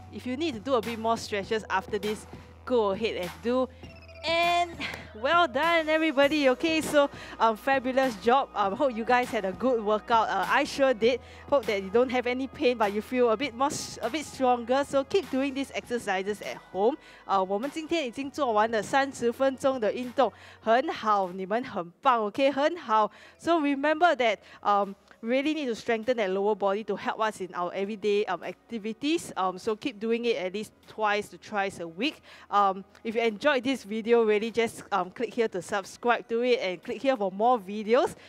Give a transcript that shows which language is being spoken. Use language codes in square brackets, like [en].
[en] If you need to do a bit more stretches after this, go ahead and do. And well done, everybody. Okay, so fabulous job. Hope you guys had a good workout. I sure did. Hope that you don't have any pain, but you feel a bit stronger. So keep doing these exercises at home. [zh] 我们今天已经做完了30分钟的运动，很好，你们很棒. Okay, 很好. [en] So remember that really need to strengthen that lower body to help us in our everyday activities. So keep doing it at least twice to thrice a week. If you enjoyed this video, really just click here to subscribe to it and click here for more videos.